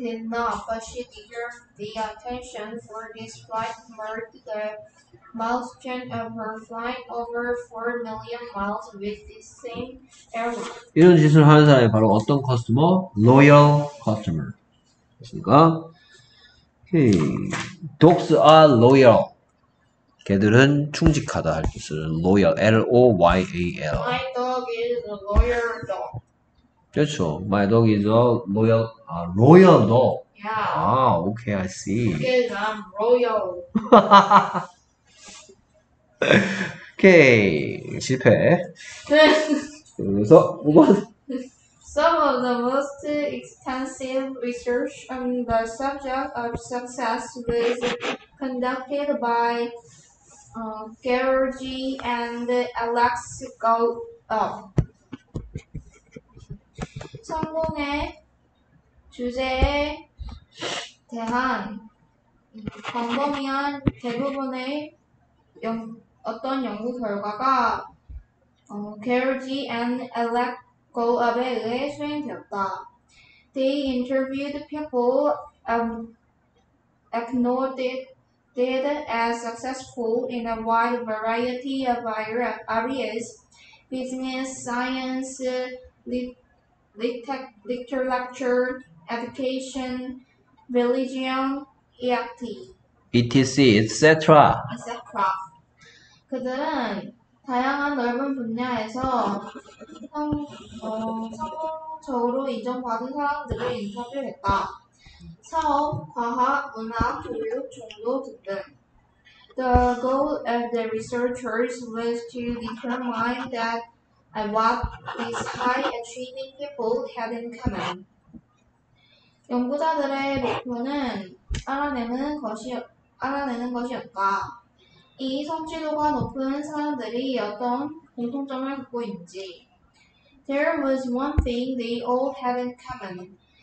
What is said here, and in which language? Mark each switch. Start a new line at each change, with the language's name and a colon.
Korean: 나빠
English: she deserved the attention for this flight marked the milestone of her flight over 4 million miles with the same airline.
Korean: 이런 짓을 하는 사람이 바로 어떤 커스터머?
English: loyal customer.
Korean: 됐습니까?
English: dogs are loyal.
Korean: 개들은 충직하다 할때 쓰는
English: loyal. loyal. My dog is a loyal dog.
Korean: 그렇죠.
English: My dog is a loyal, royal dog. Yeah. 아, okay, I see. Because I'm royal.
Korean: 오케이, 실패. 그래서 5번.
English: Some of the most extensive research on the subject of success was conducted by Georgi and Alex Gallup.
Korean: 성공의 주제에 대한 광범위한 대부분의 어떤 연구 결과가 게르지 앤 엘렉 골업에 의해 수행되었다.
English: They interviewed people acknowledged as successful in a wide variety of areas, business, science, literature, education, religion, EFT, ETC, etc. etc.
Korean: 그들은 다양한 넓은 분야에서 성공적으로 인정받은 사람들을 인터뷰했다. 사업, 과학, 문화, 교육, 종교 등등.
English: The goal of the researchers was to determine that what these high-achieving people had in common.
Korean: 연구자들의 목표는 알아내는 것이었다. 이 성취도가 높은 사람들이 어떤 공통점을 갖고 있는지.
English: There was one thing they all had in common.